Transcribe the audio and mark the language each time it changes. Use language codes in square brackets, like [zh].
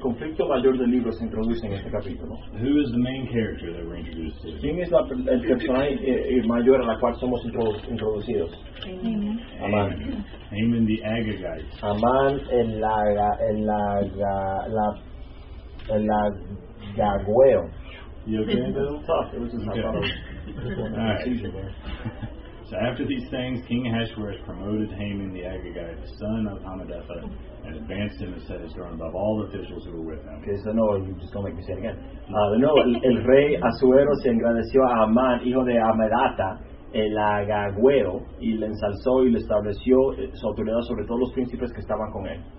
[es] conflicto mayor del libro se introduce en este capítulo. [en] Who is the main character that we're introduced to? [es] ¿Quién es el personaje mayor a la cual somos introducidos? [en] Amán. Amán the Agagite. [es] Amán el lagagüeo. [en] You okay, Bill? So after these things, King Ahasuerus promoted Haman the Agagite, the son of Hammedatha, and advanced him and set his throne above all the officials who were with him. Okay, so no, you just don't make me say it again. [es] El rey Ahasuerus se engrandeció a Amán, hijo de Amedata, el agagüero, y le ensalzó y le estableció su autoridad sobre todos los príncipes que estaban con él.